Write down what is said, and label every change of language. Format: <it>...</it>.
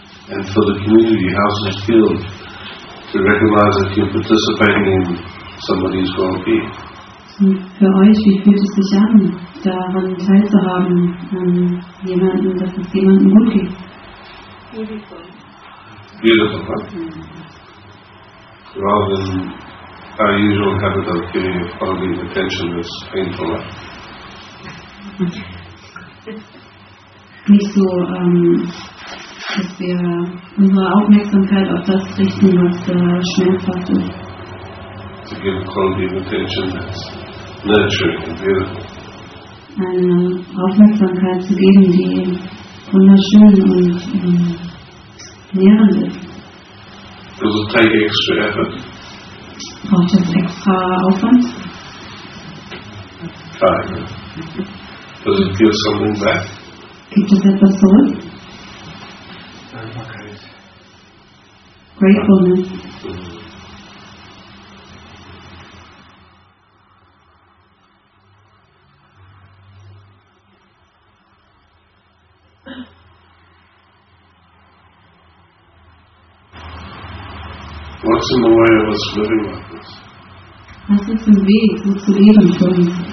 <en>And for the community, how's it feel to recognize that you're participating in somebody's well-being?</en> <de>Und für euch, wie fühlt es sich an, daran teilzuhaben, jemanden, dass es jemandem gut geht?</de> <en>Beautiful. Beautiful, huh? Rather than our usual habit of giving a quality of attention that's painful.</en> <de>Nicht so, dass wir unsere Aufmerksamkeit auf das richten, was schmerzhaft ist.</de> <en>To give a quality of attention that's nurturing and beautiful.</en> <de>Eine Aufmerksamkeit zu geben, die wunderschön und nährend ist.</de> <en>Does it take extra effort?</en> <de>Braucht das extra Aufwand? Keine.</de> <en>Does it give something back?</en> <de>Gibt es etwas zurück?</de> <en>Gratefulness. What's in the way of us living like this?</en> <de>Was ist im Weg, so zu leben für uns?</de>